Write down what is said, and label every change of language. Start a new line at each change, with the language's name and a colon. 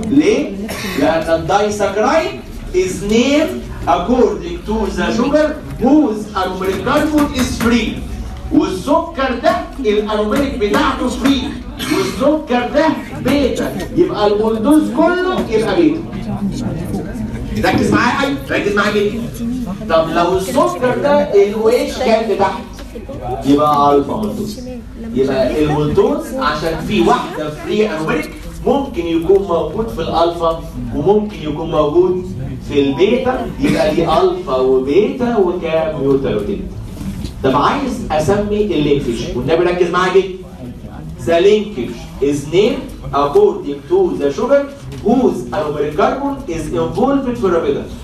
Arabic: ليه؟ لان الدايساكرايد
English: is named according to the sugar whose anomeric carbon is free.
Arabic: والسكر ده الانومريك بتاعته free والسكر ده بيتا، يبقى المولتوز كله يبقى بيتا. ركز معايا قوي، ركز معايا جدا. طب لو السكر ده الويش كان بتاعته يبقى الفا مولتوز. يبقى المولتوز عشان في واحده فري انومريك ممكن يكون موجود في الالفا وممكن يكون موجود في البيتا، يبقى دي الفا وبيتا وكام يوتا وتيتا. طب عايز اسمي اللينكج، والنبي ركز معايا جدا.
English: The linkage is named according to the sugar whose anomeric carbon is involved for rabidin.